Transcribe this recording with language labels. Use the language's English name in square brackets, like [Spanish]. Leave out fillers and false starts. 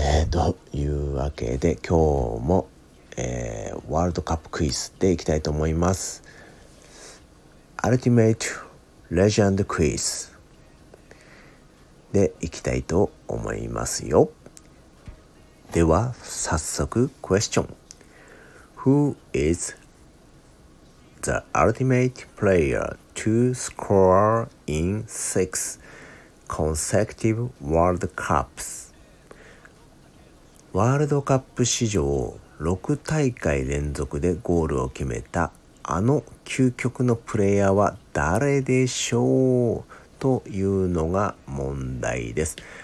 [Japanese] というわけで今日も、ワールドカップクイズでいきたいと思います。アルティメイトレジェンドクイズでいきたいと思いますよ。では早速クエスチョン。 [English] Who is the ultimate player to score in 6 consecutive World Cups? [Japanese] ワールドカップ史上6大会連続でゴールを決めたあの究極のプレイヤーは誰でしょうというのが問題です。